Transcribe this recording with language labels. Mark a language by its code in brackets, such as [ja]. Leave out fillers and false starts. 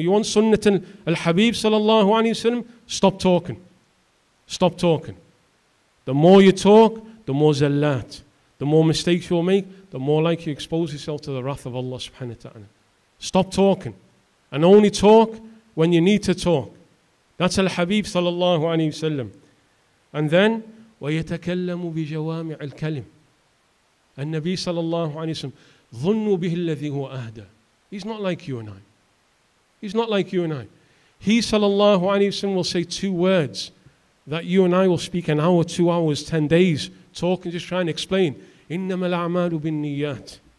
[en] You want sunnah al-habib sallallahu alayhi wa sallam? Stop talking. Stop talking. The more you talk, the more zallat. The more mistakes you'll make, the more likely you expose yourself to the wrath of Allah subhanahu wa ta'ala. Stop talking. And only talk when you need to talk. That's al-habib sallallahu alayhi wa sallam. And then, [ar] وَيَتَكَلَّمُ بِجَوَامِعِ الْكَلِمِ. [en] And Nabi sallallahu alayhi wa sallam, [ar] ظُنُّ بِهِ الَّذِي هُوَ أَهْدَى. [en] He's not like you and I. He's not like you and I. He, sallallahu alayhi wa sallam, will say two words that you and I will speak an hour, 2 hours, 10 days, talking, just trying to explain. [ar] إِنَّمَا الْأَعْمَالُ بِالنِّيَّاتِ.